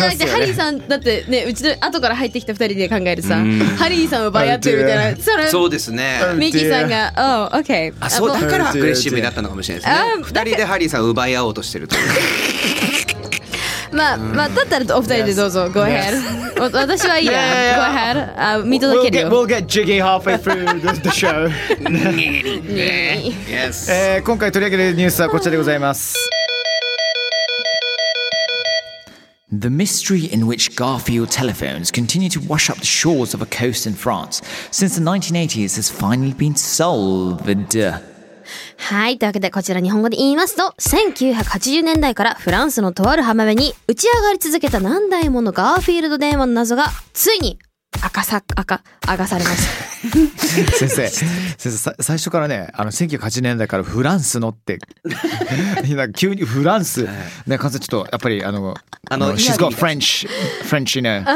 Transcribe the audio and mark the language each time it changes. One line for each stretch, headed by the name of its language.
Japanese: 私じゃなくてハリーさんだってね、うちの後から入ってきた二人で考えるさ、ハリーさんを奪い合ってるみたいな。それそうですね。ミキさんが、おお、オッケー。あ、そうだからアグレッシブになったのかもしれないですね。二人でハリーさんを奪い合おうとしてるという。まあまあ、だったらお二人でどうぞ、yes.
English: Go ahead、yes.
Japanese: 私はいいや、
English: yeah. Go ahead、
Japanese: 見届けるよ。
English: We'll get jiggy halfway through the show。 Yes、
Japanese: 今回取り上げるニュースはこちらでございます。
English: The mystery in which Garfield telephones continue to wash up the shores of a coast in France since the 1980s has finally been solved。
Japanese: はい、というわけでこちら日本語で言いますと、1980年代からフランスのとある浜辺に打ち上がり続けた何台ものガーフィールド電話の謎がついに明かされました。先生、最初からね、あの1980年代からフランスのってなんか急にフランスね、完全ちょっとやっぱりあの
English: She's got French you know、